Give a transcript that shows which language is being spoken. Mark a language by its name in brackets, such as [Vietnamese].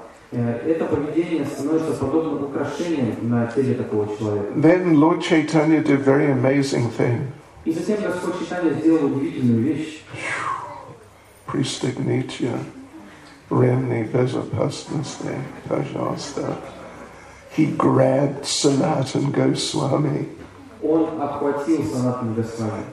[Russian] Это поведение становится подобным украшением на теле такого человека. [English] Then Lord Chaitanya did a very amazing thing. [Russian] И затем Господь Чайтанья сделал удивительную вещь. Priest Ignatia, Ramni, Vezapasnasne, Pajasta. [English] He grabbed Sanatan Goswami. [Russian] Он обхватил Санатан Госвами.